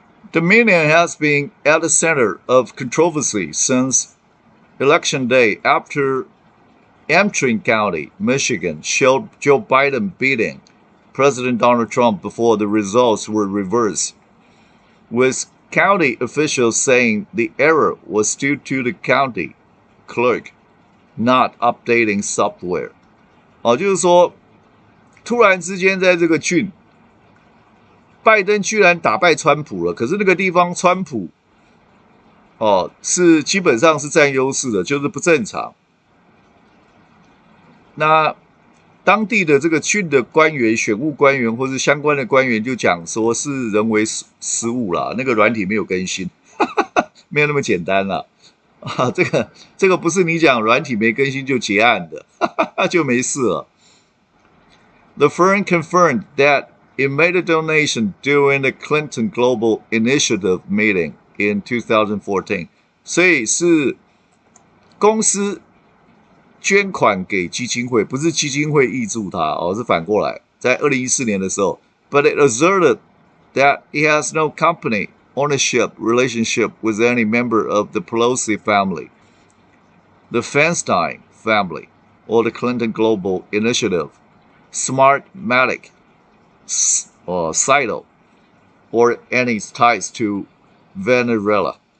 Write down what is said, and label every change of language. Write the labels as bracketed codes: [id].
[en] Dominion has been at the center of controversy since election day after Antrim County, Michigan showed Joe Biden beating President Donald Trump before the results were reversed, with county officials saying the error was due to the county clerk not updating software. [zh] 就是说突然之间在这个郡拜登居然打败川普了，可是那个地方川普是基本上是占优势的，就是不正常。那当地的这个郡的官员选务官员或是相关的官员就讲说是人为失误啦，那个软体没有更新没有那么简单啦这个不是你讲软体没更新就结案的就没事了。 [en] The firm confirmed that it made a donation during the Clinton Global Initiative meeting in 2014. [zh] 所以是公司捐款给基金会，不是基金会挹注他，而是反过来，在2014年的时候 [en] ，But it asserted that he has no company ownership relationship with any member of the Pelosi family, the Feinstein family, or the Clinton Global Initiative, Smartmatic, Cito, or any ties to Venezuela.